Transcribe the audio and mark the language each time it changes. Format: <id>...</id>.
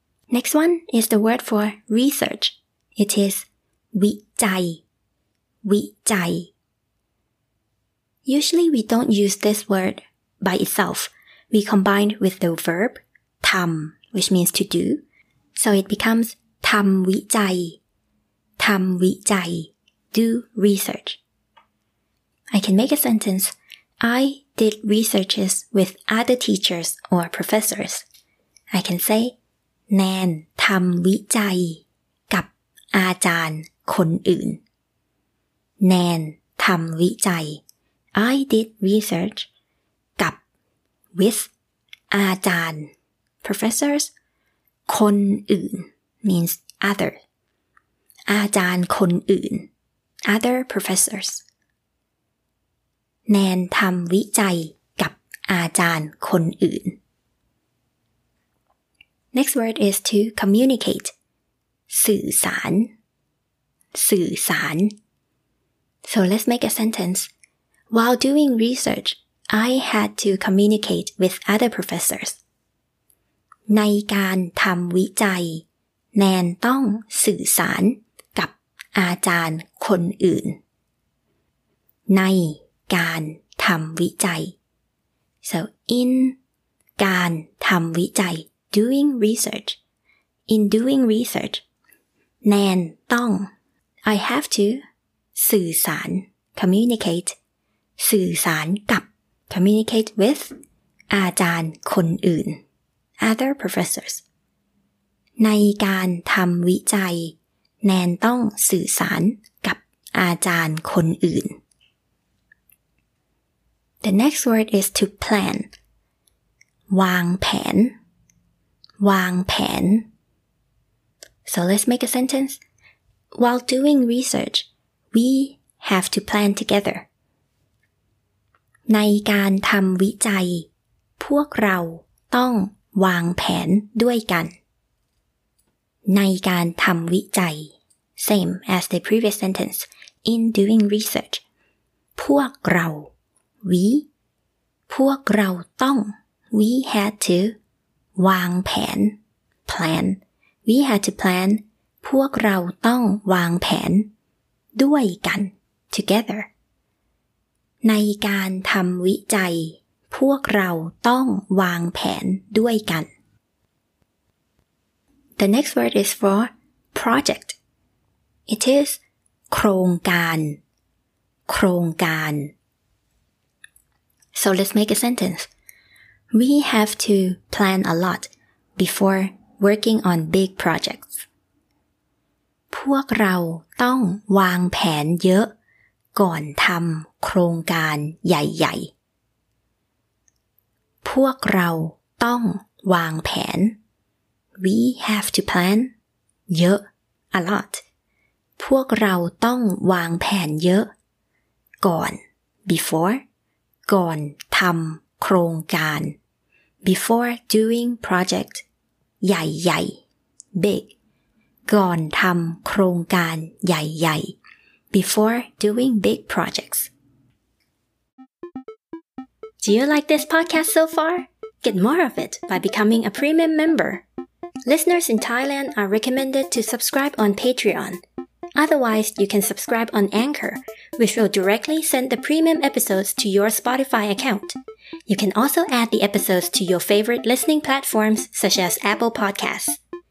<en>Next one is the word for research. It is วิจัย</en> <th>วิจัย</th> <en>Usually we don't use this word by itself. We combine with the verb ทำ which means to do. So it becomes</en> <th>ทำวิจัย ทำวิจัย</th> <en>do research. I can make a sentence. I did researches with other teachers or professors. I can say,</en> <th>แนนทำวิจัยกับอาจารย์คนอื่น แนนทำวิจัย</th> <en>I did research</en> <th>กับ</th> <en>with</en> <th>อาจารย์</th> <en>professors</en> <th>คนอื่น</th> <en>means other</en> <th>อาจารย์คนอื่น</th> <en>other professors</en> <th>แนนทำวิจัยกับอาจารย์คนอื่น</th> <en>Next word is to communicate.</en> <th>สื่อสาร สื่อสาร</th> <en>So let's make a sentence. While doing research, I had to communicate with other professors.</en> <th>ในการทำวิจัยแนนต้องสื่อสารกับอาจารย์คนอื่น ในการทำวิจัย</th> <en>So in</en> <th>การทำวิจัย</th> <en>Doing research In doing research</en> <th>แนนต้อง</th> <en>I have to สื่อสาร Communicate</en> <th>สื่อสารกับ</th> <en>Communicate with</en> <th>อาจารย์คนอื่น</th> <en>Other professors</en> <th>ในการทำวิจัยแนนต้องสื่อสารกับอาจารย์คนอื่น</th> <en>The next word is to plan. วางแผน วางแผน So let's make a sentence. While doing research, we have to plan together.</en> <th>ในการทำวิจัยพวกเราต้องวางแผนด้วยกันในการทำวิจัย</th> <en>Same as the previous sentence. In doing research,</en> <th>พวกเรา</th> <en>We</en> <th>พวกเราต้อง</th> <en>we had to วางแผน plan we had to plan</en> <th>พวกเราต้องวางแผนด้วยกัน</th> <en>together</en> <th>ในการทำวิจัยพวกเราต้องวางแผนด้วยกัน</th> <en>The next word is for project it is</en> <th>โครงการโครงการ</th> <en>So let's make a sentence. We have to plan a lot before working on big projects.</en> <th>พวกเราต้องวางแผนเยอะก่อนทำโครงการใหญ่ๆพวกเราต้องวางแผน</th> <en>We have to plan</en> <th>เยอะ</th> <en>a lot.</en> <th>พวกเราต้องวางแผนเยอะก่อน</th> <en>before</en> <th>ก่อนทำโครงการ</th> <en>before doing project ใหญ่ๆ big</en> <th>ก่อนทำโครงการใหญ่ๆ</th> <en>before doing big projects Do you like this podcast so far? Get more of it by becoming a premium member. Listeners in Thailand are recommended to subscribe on Patreon. Otherwise, you can subscribe on Anchor. Which will directly send the premium episodes to your Spotify account. You can also add the episodes to your favorite listening platforms such as Apple Podcasts.</en>